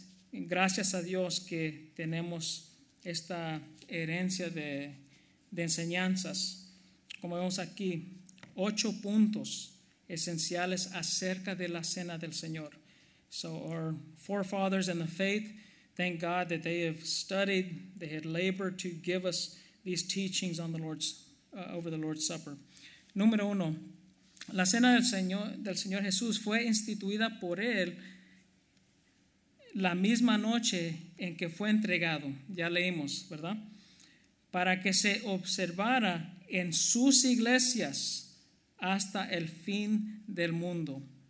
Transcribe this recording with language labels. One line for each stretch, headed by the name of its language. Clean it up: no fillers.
Spanish: Gracias a Dios que tenemos esta herencia de enseñanzas. Como vemos aquí, 8 puntos esenciales acerca de la cena del Señor.
English: So our forefathers in the faith, thank God that they have studied, they had labored to give us these teachings on the Lord's over the Lord's Supper.
Spanish: Número 1, la cena del Señor Jesús fue instituida por él la misma noche en que fue entregado, ya leímos, ¿verdad? Para que se observara en sus iglesias hasta el fin del mundo.